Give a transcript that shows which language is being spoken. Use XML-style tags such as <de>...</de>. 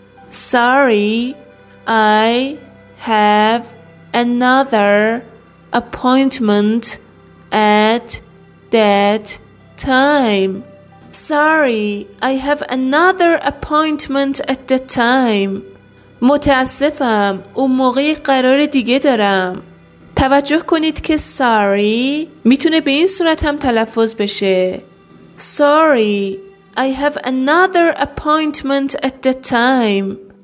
<en>Sorry, I have another appointment at that time. Sorry, I have another appointment at the time.</en> <fa>متاسفم، اون موقع قرار دیگه دارم. توجه کنید که sorry میتونه به این صورت هم تلفظ بشه.</fa> <en>Sorry, I have another appointment at the time.</en>